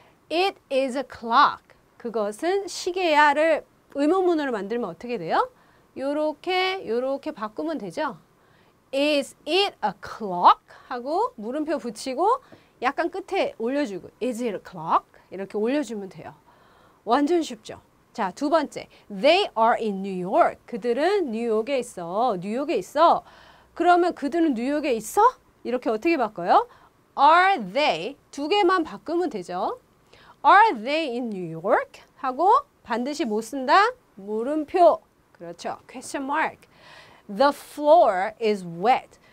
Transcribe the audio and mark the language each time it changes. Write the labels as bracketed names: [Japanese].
[English] It is a clock. [Korean] 그것은 시계야를 의문문으로 만들면 어떻게 돼요? 요렇게 바꾸면 되죠? [English] Is it a clock? [Korean] 하고 물음표 붙이고 약간 끝에 올려주고 [English] Is it a clock? [Korean] 이렇게 올려주면 돼요. 완전 쉽죠? 자, 두 번째 [English] They are in New York. [Korean] 그들은 뉴욕에 있어. 뉴욕에 있어. 그러면 그들은 뉴욕에 있어? 이렇게 어떻게 바꿔요? [English] Are they? [Korean] 두 개만 바꾸면 되죠. [English] Are they in New York? [Korean] 하고 반드시 못 쓴다? 물음표. 그렇죠. [English] Question mark. The floor is wet.